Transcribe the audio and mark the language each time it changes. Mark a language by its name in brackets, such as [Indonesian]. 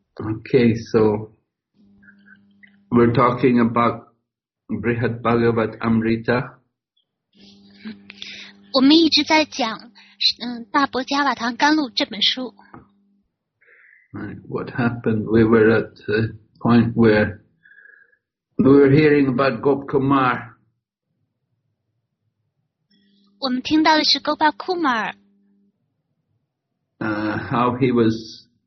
[English] Okay, so we're talking about Brihad Bhagavat Amrita. [Chinese] 我们一直在讲《大伯加瓦唐甘露》这本书。 [English] Right, what happened? We were at the point where we were hearing about Gop Kumar. [Chinese] 我们听到的是 Gopal Kumar [English] how he was.